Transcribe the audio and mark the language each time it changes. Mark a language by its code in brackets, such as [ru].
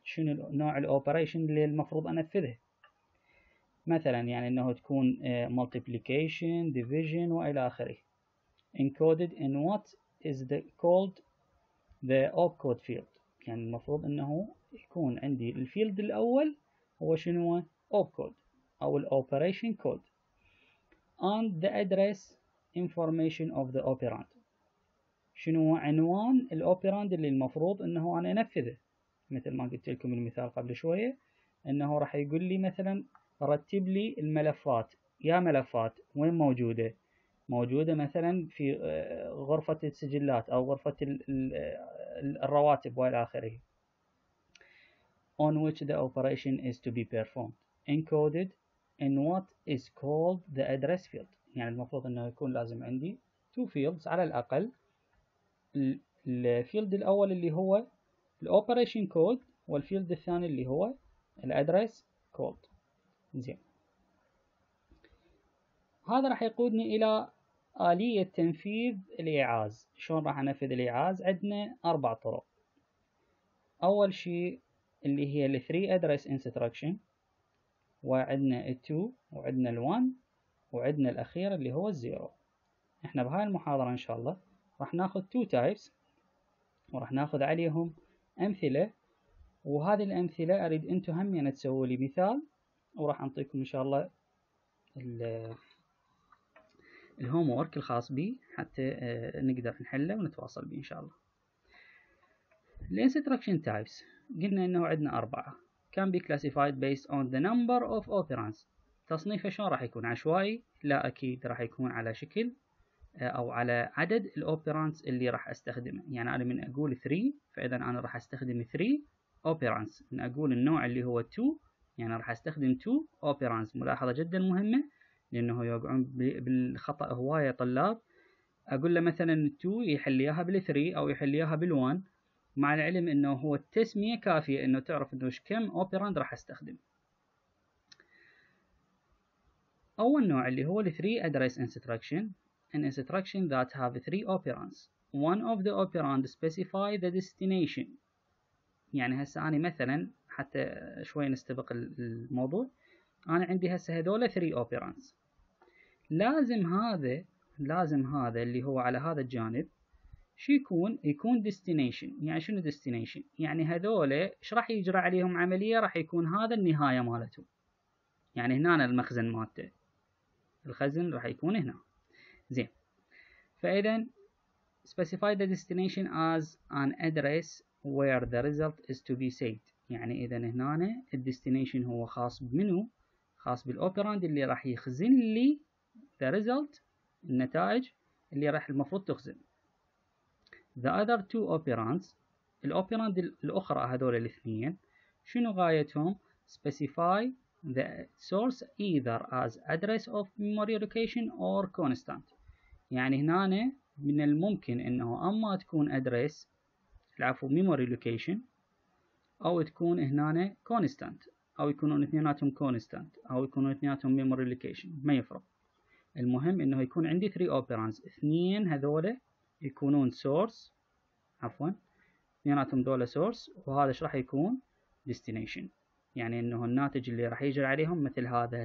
[ar] شنو نوع الاوبريشن اللي المفروض أنفذه؟ مثلا يعني أنه تكون multiplication, division وإلى آخره. [en] Encoded in what is the called the opcode field. [ar] يعني المفروض أنه يكون عندي الفيلد الأول هو شنو؟ opcode أو الoperation code. [en] And the address information of the operand. [ar] شنو عنوان الoperand اللي المفروض أنه أنا أنفذه؟ مثل ما قلت لكم المثال قبل شوية، أنه راح يقول لي مثلا رتب لي الملفات، يا ملفات وين موجودة؟ موجودة مثلا في غرفة السجلات أو غرفة الرواتب وإلى آخره. [en] On which the operation is to be performed. Encoded in what is called the address field. [ar] يعني المفروض أنه يكون لازم عندي [en] two fields [ar] على الأقل. الفيلد الأول اللي هو الأوبريشن كود، والفيلد الثاني اللي هو الأدرس كود. زين، هذا راح يقودني إلى آلية تنفيذ الإعاز. شلون راح أنفذ الإعاز؟ عندنا أربع طرق. أول شيء اللي هي الـ 3 address instruction، وعندنا الـ 2، وعندنا الـ 1، وعندنا الأخير اللي هو الـ 0. إحنا بهاي المحاضرة إن شاء الله راح نأخذ 2 types، وراح نأخذ عليهم أمثلة، وهذه الأمثلة أريد أنتم هم يعني تسووا لي مثال، وراح أعطيكم إن شاء الله الهوم وورك الخاص بي حتى نقدر نحله ونتواصل بي إن شاء الله. الانستركشن تايبس قلنا إنه عندنا أربعة. [en] can be classified based on the number of operands. [ar] تصنيفه شلون راح يكون؟ عشوائي؟ لا، أكيد راح يكون على شكل أو على عدد الأوبرانس اللي راح أستخدمه. يعني أنا من أقول 3، فإذا أنا راح أستخدم 3 أوبرانس. من أقول النوع اللي هو 2، يعني راح أستخدم 2 أوبرانس. ملاحظة جدا مهمة، لأنه يقعون بالخطأ هواية طلاب. أقول له مثلا 2 يحل إياها بال 3 أو يحل إياها بال 1، مع العلم أنه هو التسمية كافية أنه تعرف أنه كم أوبراند راح أستخدم. أول نوع اللي هو 3 address instruction. [en] An instruction that have three operands. One of the operand specify the destination. [ar] يعني هسه أنا مثلا حتى شوي نستبق الموضوع، أنا عندي هسه هذول [en] three operands. [ar] لازم هذا اللي هو على هذا الجانب شو يكون؟ يكون destination. يعني شنو destination؟ يعني هذول ايش راح يجرى عليهم عملية؟ راح يكون هذا النهاية مالته. يعني هنا المخزن مالته، الخزن راح يكون هنا. زين، فإذا [en] specify the destination as an address where the result is to be saved. [ar] يعني إذا هنا الـ destination هو خاص بمنه؟ خاص بالأوبراند اللي راح يخزن لي [en] the result، [ar] النتائج اللي راح المفروض تخزن. [en] The other two operands، [ar] الأوبراند الأخرى هذول الاثنين شنو غايتهم؟ [en] specify the source either as address of memory location or constant. [ar] يعني هنا من الممكن انه اما تكون ادريس، العفو ميموري لوكيشن، او تكون هنا كونستانت، او يكونون اثنيناتهم كونستانت، او يكونون اثنيناتهم ميموري لوكيشن، ما يفرق. المهم انه يكون عندي 3 operands، اثنين هذولا يكونون source، عفوا اثنيناتهم دول source، وهذا ايش راح يكون destination، يعني انه الناتج اللي راح يجري عليهم مثل هذا.